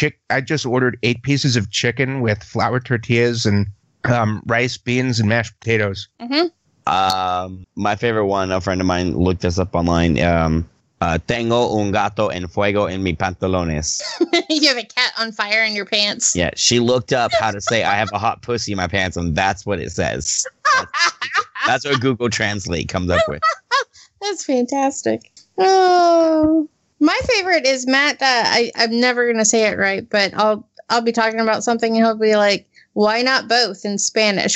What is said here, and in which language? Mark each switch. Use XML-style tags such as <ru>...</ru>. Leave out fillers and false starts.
<en>I just ordered 8 pieces of chicken with flour tortillas and rice, beans, and mashed potatoes. Mm-hmm. My favorite one, a friend of mine looked this up online.</en> <es>Tengo un gato en fuego en mi pantalones.</es> <en>You have a cat on fire in your pants. Yeah, she looked up how to say I have a hot pussy in my pants, and that's what it says. That's what Google Translate comes up with. That's fantastic. Oh. My favorite is Matt. I'm never going to say it right, but I'll be talking about something and he'll be like, why not both in Spanish?</en>